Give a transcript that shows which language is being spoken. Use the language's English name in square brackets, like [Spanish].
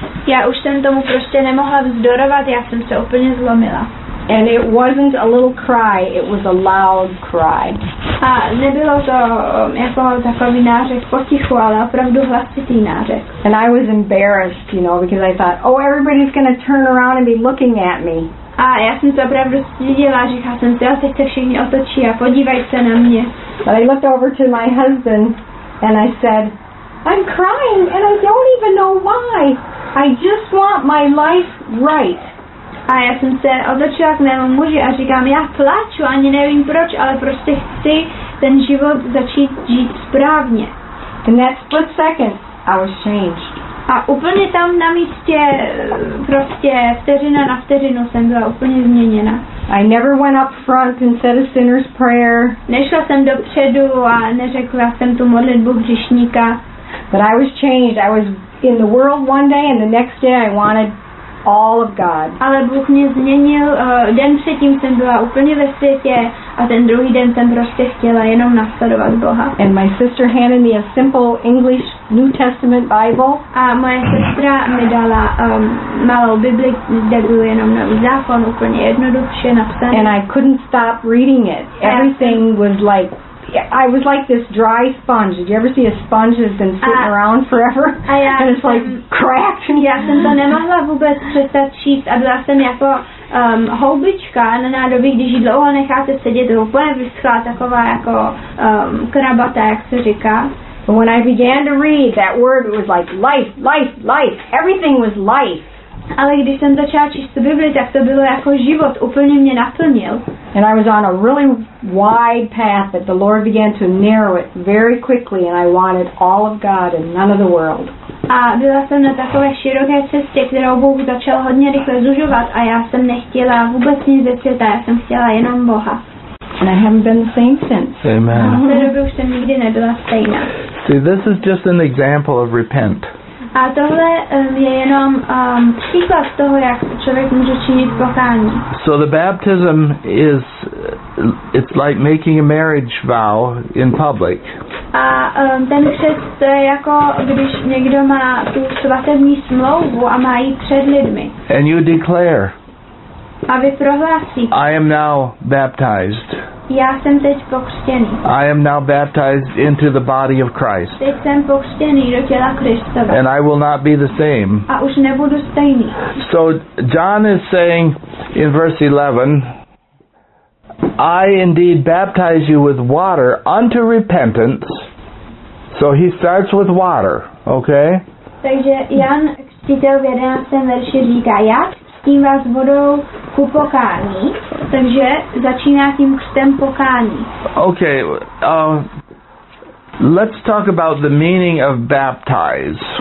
[Czech] Já už jsem tomu prostě nemohla vzdorovat, já jsem se úplně zlomila. [English] And it wasn't a little cry, it was a loud cry. [Czech] A nebylo to jako takový nářek potichu, ale opravdu hlasitý nářek. [English] And I was embarrassed, you know, because I thought, oh, everybody's going to turn around and be looking at me. [Czech] A já jsem se opravdu stydila, říkala jsem si, teď se všichni otočí a podívají se na mě. [English] But I looked over to my husband and I said, I'm crying and I don't even know why. I just want my life right. [Czech] A já jsem se otočila k mému muži a říkám, já pláču, ani nevím proč, ale prostě chci ten život začít žít správně. [English] In that split second, I was changed. [Czech] A úplně tam na místě, prostě vteřina na vteřinu jsem byla úplně změněna. [English] I never went up front and said a sinner's prayer. [Czech] Nešla jsem dopředu a neřekla jsem tu modlitbu hříšníka. [English] But I was changed. I was in the world one day and the next day I wanted all of God. [Czech] Ale Bůh mě změnil, den předtím jsem byla úplně ve světě a ten druhý den jsem prostě chtěla jenom následovat Boha. [English] And my sister handed me a simple English New Testament Bible. [Czech] A moje sestra mi dala malou Bibli, kde byl jenom nový zákon, úplně jednoduše napsaný. [English] And I couldn't stop reading it. Everything was like, I was like this dry sponge. Did you ever see a sponge that's been sitting around forever? And it's like cracked. [Czech] Já jsem to nemohla vůbec přestat číst a byla jsem jako houbička na nádobí, když ji dlouho necháte sedět, to úplně vyschla taková jako krabata, jak se říká. [English] But when I began to read, that word was like life, life, life. Everything was life. [Czech] Ale když jsem začala číst tu Bibli, tak to bylo jako život, úplně mě naplnil. [English] And I was on a really wide path that the Lord began to narrow it very quickly and I wanted all of God and none of the world. [Czech] A byla jsem na takové široké cestě, kterou Bůh začal hodně rychle zužovat a já jsem nechtěla vůbec nic ze světa, já jsem chtěla jenom Boha. [English] And I haven't been the same since. Amen. [Czech] A v té době už jsem nikdy nebyla stejná. [English] See, this is just an example of repent. [Czech] A tohle je jenom příklad toho, jak člověk může činit pokání. [English] So the baptism is, it's like making a marriage vow in public. [Czech] A ten křest, to je jako, když někdo má tu svatební smlouvu a má ji před lidmi. [English] And you declare. [Czech] a vyprohlásit. [English] I am now baptized. [Czech] Já jsem teď pokřtěný. [English] I am now baptized into the body of Christ. [Czech] Teď jsem pokřtěný do těla Kristova. [English] And I will not be the same. [Czech] A už nebudu stejný. [English] So John is saying in verse 11, I indeed baptize you with water unto repentance. So he starts with water, okay? [Czech] Takže Jan Křtitel v 11. verši říká, já křtím vás vodou ku pokání. Takže začíná tím křtem pokání. [English] Okay, let's talk about the meaning of baptize.